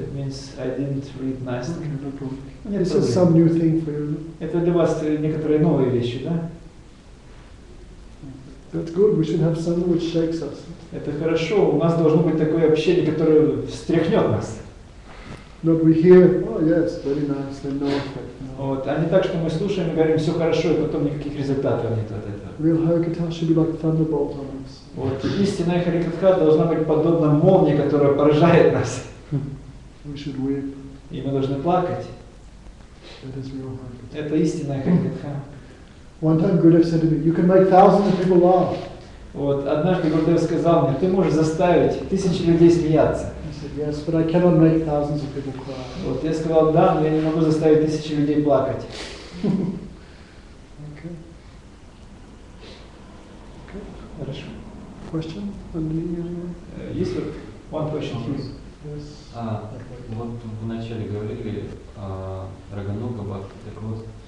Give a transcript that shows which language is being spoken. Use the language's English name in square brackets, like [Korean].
[English] That means I didn't read nice. No problem. This is some new thing for you. [Russian] Это для вас некоторые новые вещи, да? [English] That's good. We should have something which shakes us. [Russian] Это хорошо. У нас должно быть такое общение, которое встряхнет нас. [English] Not we hear, oh yes, very nice, then no effect. No. [Russian] Вот. А не так, что мы слушаем и говорим, все хорошо, и потом никаких результатов нет от этого. [English] Real harikatha should be like a thunderbolt on us. [Russian] Вот. Истинная харикатха должна быть подобна молнии, которая поражает нас. [English] We should weep. [Russian] И мы должны плакать. [English] That is real harikatha. [Russian] Это истинная харикатха. [English] One time Gurudev said to me, you can make thousands of people laugh. [Russian] Вот, однажды Гурдев сказал мне, ты можешь заставить тысячи людей смеяться. [English] Said, yes, but I cannot make thousands of people cry. [Russian] Вот, я сказал, да, но я не могу заставить тысячи людей плакать. [English] Okay. Okay. [Russian] Хорошо. [English] Question? [Russian] Есть вот [English] one question here. Yes. [Russian] Вот вы вначале говорили о Рагануга Бхакти, так вот.